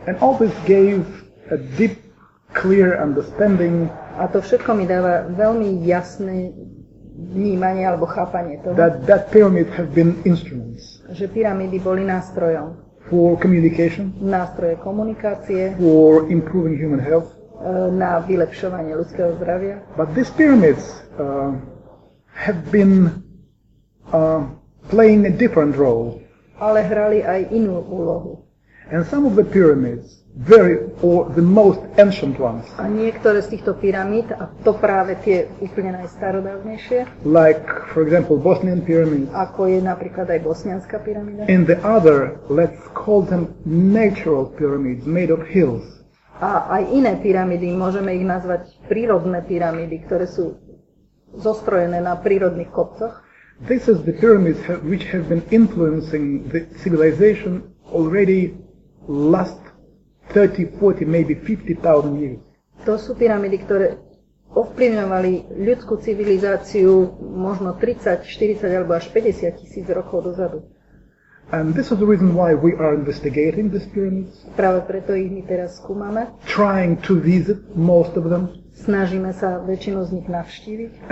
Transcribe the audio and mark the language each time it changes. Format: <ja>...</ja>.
<en>And all this gave a deep clear understanding.</en> <sk>A to všetko mi dáva veľmi jasné vnímanie alebo chápanie toho.</sk> <en>That pyramid have been instruments.</en> <sk>Že pyramídy boli nástrojom.</sk> <en>For communication.</en> <sk>Nástroje komunikácie.</sk> <en>For improving human health.</en> <sk>Na vylepšovanie ľudského zdravia.</sk> <en>But these pyramids have been playing a different role.</en> <sk>Ale hrali aj inú úlohu.</sk> <en>And some of the pyramids, the most ancient ones.</en> <sk>A niektoré z týchto pyramíd, a to práve tie úplne najstarodávnejšie.</sk> <en>Like, for example, Bosnian pyramids.</en> <sk>Ako je napríklad aj bosnianska pyramída.</sk> <en>And the other, let's call them natural pyramids made of hills.</en> <sk>A aj iné pyramídy, môžeme ich nazvať prírodné pyramídy, ktoré sú zostrojené na prírodných kopcoch.</sk> <en>This is the pyramids which have been influencing the civilization already last 30, 40, maybe 50,000 years.</en> <sk>To sú pyramidy, ktoré ovplyvňovali ľudskú civilizáciu možno 30, 40 alebo až 50 tisíc rokov dozadu.</sk> <en>And this is the reason why we are investigating these pyramids.</en> <sk>Práve preto ich my teraz skúmame.</sk> <en>Trying to visit most of them.</en> <sk>Snažíme sa väčšinu z nich navštíviť.</sk>